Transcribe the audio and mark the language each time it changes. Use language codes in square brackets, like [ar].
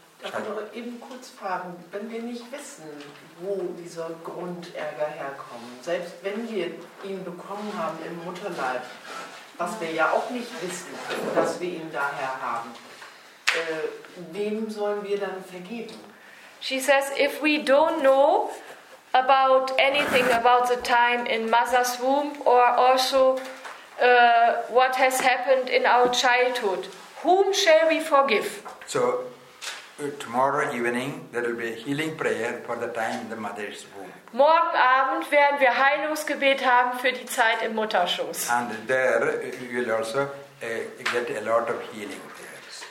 [de] Darf ich noch eben kurz fragen, wenn wir nicht wissen, wo dieser Grundärger herkommt, selbst wenn wir ihn bekommen haben im Mutterleib, was wir ja auch nicht wissen, dass wir ihn daher haben, wem sollen wir dann vergeben? [en] She says, if we don't know about anything about the time in mother's womb or also what has happened in our childhood, whom shall we forgive? So tomorrow evening there will be a healing prayer for the time in the mother's womb. [de] Morgen Abend werden wir Heilungsgebet haben für die Zeit im Mutterschoß. [en] And there you will also get a lot of healing there.